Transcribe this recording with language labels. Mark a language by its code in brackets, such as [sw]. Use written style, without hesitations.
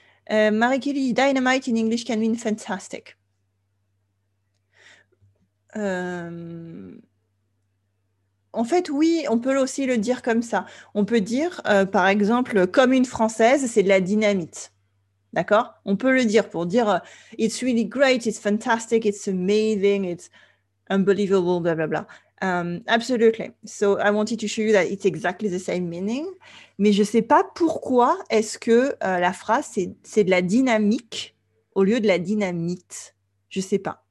[en] Marie Kelly, dynamite in English can mean fantastic. [fr] En fait, oui, on peut aussi le dire comme ça. On peut dire, par exemple, comme une Française, c'est de la dynamite. D'accord? On peut le dire pour dire [en] « It's really great, it's fantastic, it's amazing, it's unbelievable, blah, blah, blah. » Absolutely. So, I wanted to show you that it's exactly the same meaning. [fr] Mais je ne sais pas pourquoi est-ce que la phrase, c'est de la dynamique au lieu de la dynamite. Je ne sais pas.